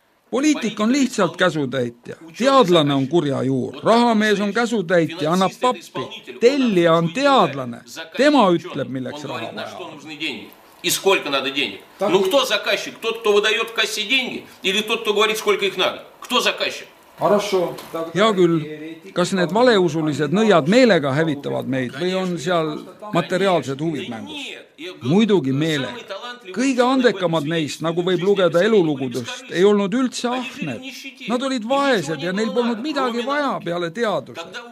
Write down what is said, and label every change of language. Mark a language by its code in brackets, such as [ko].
[et] Poliitik on lihtsalt käsutäitja. Teadlane on kurja juur. Rahamees on käsutäitja, annab pappi. Tellija on teadlane. Tema ütleb, milleks raha vaja. [ru] И сколько надо денег? Так. Ну кто заказчик? Тот, кто выдает кассе деньги, или тот, кто говорит, сколько их надо? Кто заказчик? [et] Hea küll, kas need valeusulised nõjad meelega hävitavad meid või on seal materiaalsed huvid mängus? Muidugi meele. Kõige andekamad neist, nagu võib lugeda elulugudest, ei olnud üldse ahned. Nad olid vaesed ja neil polnud midagi vaja peale teaduse.